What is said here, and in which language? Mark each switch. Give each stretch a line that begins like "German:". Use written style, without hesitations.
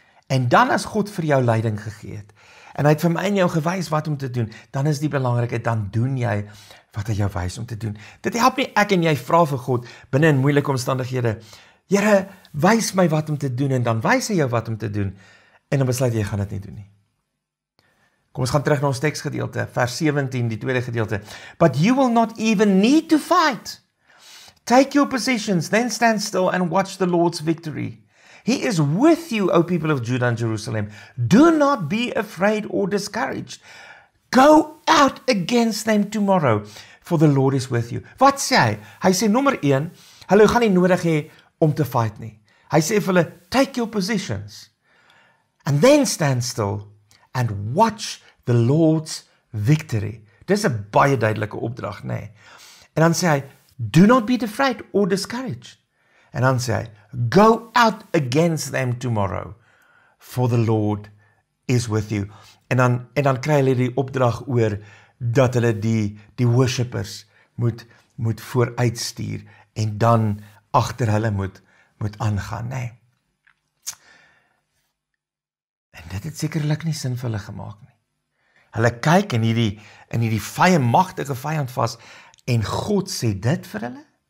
Afrikaans: En dan as God vir jou leiding gegee het, en hy het vir my en jou gewys wat om te doen, dan is die belangrikheid, dan doen jy wat hy jou wys om te doen. Dit help nie ek en jy vra vir God, binne in moeilike omstandighede, Here, wys my wat om te doen, en dan wys hy jou wat om te doen, en dan besluit jy, gaan dit nie doen nie. Kom, ons gaan terug na ons teksgedeelte, vers 17, die tweede gedeelte.
English: But you will not even need to fight. Take your positions, then stand still and watch the Lord's victory. He is with you, O people of Judah and Jerusalem. Do not be afraid or discouraged. Go out against them tomorrow, for the Lord is with you.
Afrikaans: Wat sê hy? Hy sê nommer 1, hulle gaan nie nodig hê om te fight nie. Hy sê vir hulle,
English: take your positions, and then stand still and watch the Lord's victory.
Afrikaans: Dit is 'n baie duidelike opdrag, nee. En dan sê hy,
English: do not be afraid or discouraged.
Afrikaans: En dan sê hy,
English: go out against them tomorrow, for the Lord is with you.
Afrikaans: En dan kry hulle die opdrag oor dat hulle die worshippers moet vooruit stuur en dan agter hulle moet aangaan, nê. En dit het sekerlik nie sin vir hulle gemaak nie. Hulle kyk in hierdie vye magtige vyand vas en God sê dit vir hulle.